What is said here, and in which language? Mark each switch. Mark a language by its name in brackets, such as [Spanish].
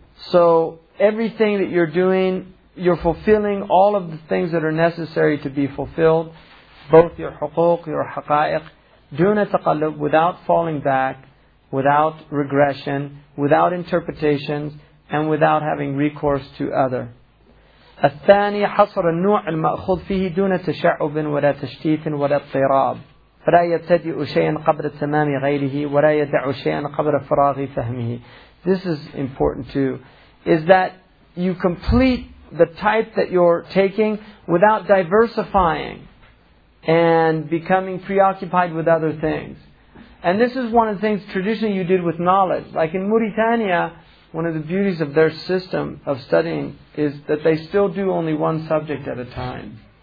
[English] So everything that you're doing, you're fulfilling all of the things that are necessary to be fulfilled, both your حقوق, your حقائق, [Arabic] دون تقلب, [English] without falling back, without regression, without interpretations, and without having recourse to other. [Arabic] الثاني حصر النوع المأخوذ فيه دون تشعب ولا تشتيت ولا اضطراب فلا يبتدئ شيئا قبل تمام غيره ولا يدع شيئا قبل فراغ فهمه. [English] This is important too, is that you complete the type that you're taking without diversifying and becoming preoccupied with other things. And this is one of the things traditionally you did with knowledge. Like in Mauritania, one of the beauties of their system of studying is that they still do only one subject at a time.